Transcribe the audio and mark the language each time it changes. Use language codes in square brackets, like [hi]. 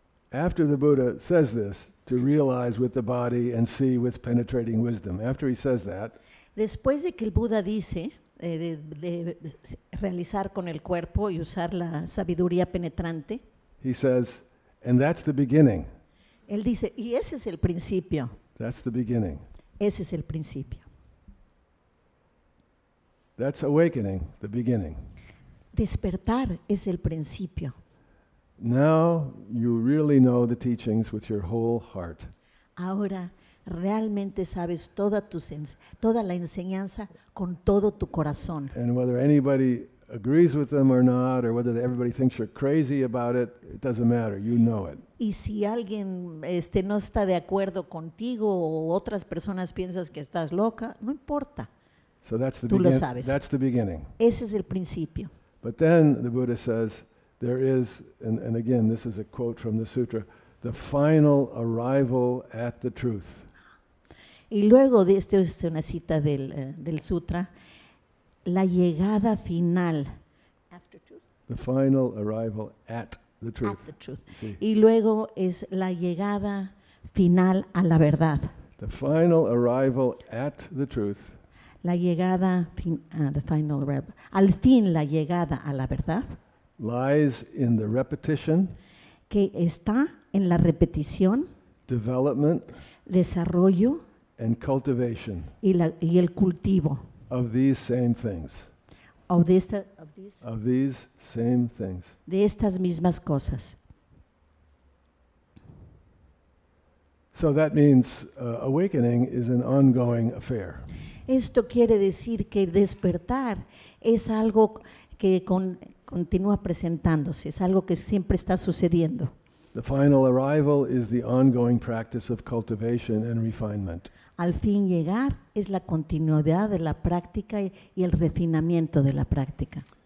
[en] After the Buddha says this, to realize with the body and see with penetrating wisdom. After he says that, [es] después de que el Buda dice de realizar con el cuerpo y usar la sabiduría penetrante, [en] he says, and that's the beginning. [es] Él dice, y ese es el principio. [en] That's the beginning. [es] Ese es el principio. [en] That's awakening, the beginning. [es] Despertar es el principio. [en] Now you really know the teachings with your whole heart. [es] Ahora realmente sabes toda la enseñanza con todo tu corazón. [en] And whether anybody agrees with them or not, or whether everybody thinks you're crazy about it, it doesn't matter. You know it. [es] Y si alguien no está de acuerdo contigo o otras personas piensas que estás loca, no importa. [en] So that's the [es] tú lo sabes. [en] That's the beginning. [es] Ese es el principio. [en] But then the Buddha says, there is, and again, this is a quote from the sutra, the final arrival at the truth. [es] Y luego, esto es una cita del sutra, la llegada final. [en] After truth. The final arrival at the truth. At the truth. [es] Sí. Y luego es la llegada final a la verdad. [en] The final arrival at the truth. [es] La llegada, [en] the final arrival, [es] al fin la llegada a la verdad. [en] Lies in the repetition. [es] Que está en la repetición. [en] Development. [es] Desarrollo. [en] And cultivation. [es] Y el cultivo. [en] Of these same things. Of these same things. [es] De estas mismas cosas. [en] So that means awakening is an ongoing affair. [es] Esto quiere decir que despertar es algo que continúa presentándose, es algo que siempre está sucediendo. [en] The final arrival is the ongoing practice of cultivation and refinement. [es] Al fin llegar es la continuidad de la práctica y el refinamiento de la práctica.